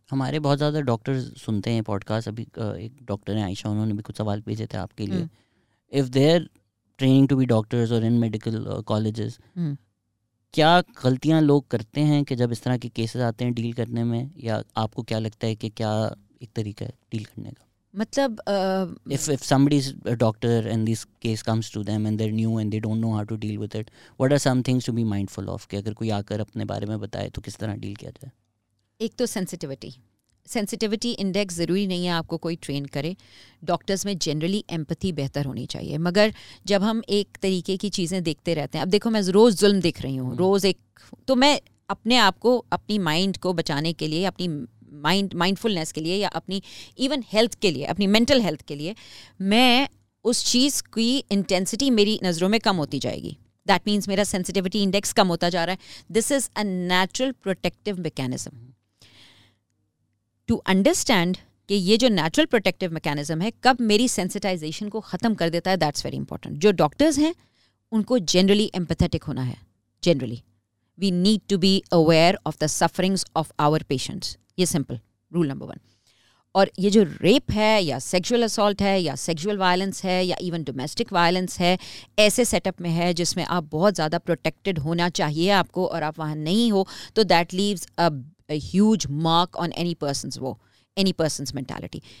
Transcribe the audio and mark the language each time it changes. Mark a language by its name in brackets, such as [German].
[Urdu] ہمارے بہت زیادہ ڈاکٹرز سنتے ہیں پوڈ کاسٹ. ابھی ایک ڈاکٹر ہیں عائشہ, انہوں نے بھی کچھ سوال بھیجے تھے آپ کے لیے. [English] if they're training to be doctors [Urdu] اور ان میڈیکل کالجز, کیا غلطیاں لوگ کرتے ہیں کہ جب اس طرح کے کیسز آتے ہیں ڈیل کرنے میں, یا آپ کو کیا لگتا ہے کہ کیا ایک طریقہ ہے ڈیل کرنے کا؟ مطلب [English] if somebody is a doctor and this case comes to them and they're new and they don't know how to deal with it, what are some things to be mindful of, [Urdu] کہ اگر کوئی آ کر اپنے بارے میں بتائے تو کس طرح ڈیل کیا جائے؟ ایک تو سینسیٹیوٹی انڈیکس ضروری نہیں ہے آپ کو کوئی ٹرین کرے. ڈاکٹرز میں جنرلی ایمپتھی بہتر ہونی چاہیے, مگر جب ہم ایک طریقے کی چیزیں دیکھتے رہتے ہیں, اب دیکھو میں روز ظلم دیکھ رہی ہوں, روز ایک, تو میں اپنے آپ کو, اپنی مائنڈ کو بچانے کے لیے, اپنی مائنڈفلنیس کے لیے, یا اپنی ایون ہیلتھ کے لیے, اپنی مینٹل ہیلتھ کے لیے, میں اس چیز کی انٹینسٹی میری نظروں میں کم ہوتی جائے گی. [English] that means [Urdu] میرا سینسیٹیوٹی انڈیکس کم ہوتا جا رہا ہے. [English] This is a natural protective mechanism. To understand [Urdu] کہ یہ جو نیچرل پروٹیکٹیو میکینزم ہے کب میری سینسٹائزیشن کو ختم کر دیتا ہے, [English] That's very important. [Urdu] جو ڈاکٹرز ہیں ان کو جنرلی ایمپتھیٹک ہونا ہے. [English] Generally we need to be aware of the sufferings of our patients. [Urdu] یہ سمپل رول نمبر ون. اور یہ جو ریپ ہے یا سیکشوئل اسالٹ ہے یا سیکشوئل وائلنس ہے یا ایون ڈومیسٹک وائلنس ہے, ایسے سیٹ اپ میں ہے جس میں آپ بہت زیادہ پروٹیکٹڈ ہونا چاہیے آپ کو, اور آپ وہاں نہیں ہو, تو [English] That leaves a huge mark on any person's mentality.